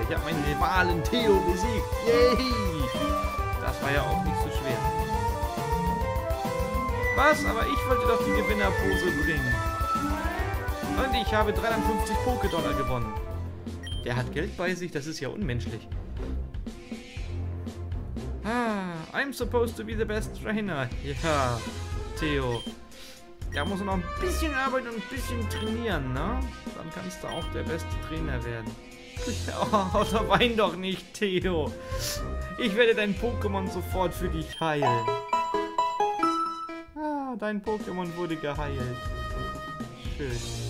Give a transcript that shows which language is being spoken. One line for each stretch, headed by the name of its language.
German: Ich habe meinen Rivalen Theo besiegt. Yay! Das war ja auch nicht so schwer. Was? Aber ich wollte doch die Gewinnerpose bringen. Und ich habe 53 Poké-Dollar gewonnen. Der hat Geld bei sich, das ist ja unmenschlich.
English: Ah, I'm supposed to be the best trainer.
German: Ja, Theo. Da muss man noch ein bisschen arbeiten und ein bisschen trainieren, ne? Dann kannst du auch der beste Trainer werden. Oh, da wein doch nicht, Theo. Ich werde dein Pokémon sofort für dich heilen. Dein Pokémon wurde geheilt. Schön.